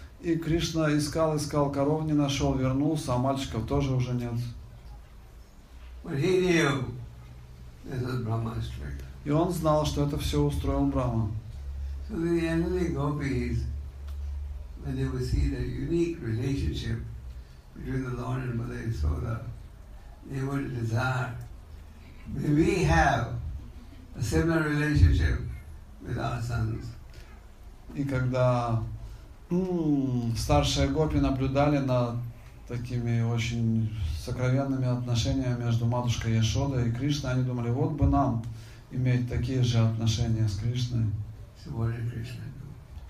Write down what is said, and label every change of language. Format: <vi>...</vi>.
<ru>И Кришна искал коров, не нашел, вернулся, а мальчиков тоже уже нет.</ru> <en>But he knew this was Brahma's trick.</en> <ru>И он знал, что это все устроил Брахма.</ru> <en>So the elderly gopis, when they would see the unique relationship between the Lord and Mother Yashoda, they would desire, may we have a similar relationship with our sons.</en> <ru>И когда старшие гопи наблюдали над такими очень сокровенными отношениями между матушкой Яшодой и Кришной, они думали, вот бы нам иметь такие же отношения с Кришной.</ru> <en>So what did Krishna do?</en>